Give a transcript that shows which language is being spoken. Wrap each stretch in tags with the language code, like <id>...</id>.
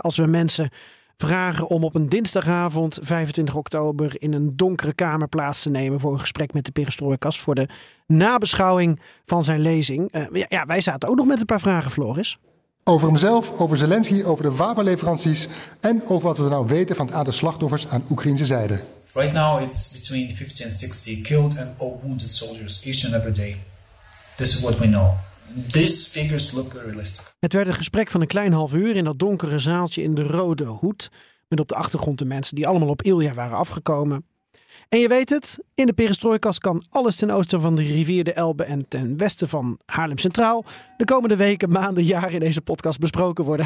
<nl>Als we mensen vragen om op een dinsdagavond 25 oktober in een donkere kamer plaats te nemen voor een gesprek met de Perestrooikast voor de nabeschouwing van zijn lezing. Wij zaten ook nog met een paar vragen, Floris. Over hemzelf, over Zelensky, over de wapenleveranties en over wat we nou weten van het aantal slachtoffers aan Oekraïnse zijde.</nl> <en>Right now it's between 50 and 60 killed and all wounded soldiers each and every day. This is what we know. These figures look realistic.</en> <nl>Het werd een gesprek van een klein half uur in dat donkere zaaltje in de Rode Hoed. Met op de achtergrond de mensen die allemaal op Ilya waren afgekomen. En je weet het, in de Perestrooikast kan alles ten oosten van de rivier de Elbe en ten westen van Haarlem Centraal de komende weken, maanden, jaren in deze podcast besproken worden.</nl>